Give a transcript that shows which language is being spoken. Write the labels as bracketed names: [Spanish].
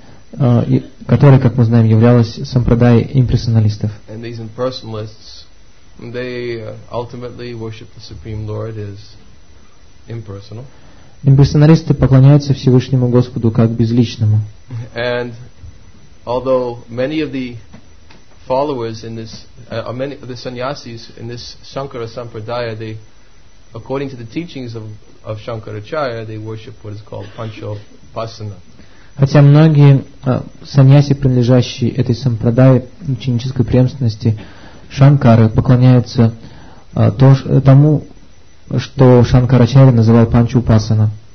[Russian] которая, как мы знаем, являлась сампрадаей имперсоналистов. [English] And these impersonalists, they ultimately worship the Supreme Lord as impersonal. [Russian] Имперсоналисты поклоняются Всевышнему Господу как безличному. [English] And although many of the followers in this, many of the sannyasis in this Shankara Sampradaya, they according to the teachings of Shankaracharya, they worship what is called Panchopasana. [Russian] Хотя многие саньяси, принадлежащие этой сампрадае ученической преемственности Шанкары, поклоняются тому, что Шанкарачарья называл Панчопасана.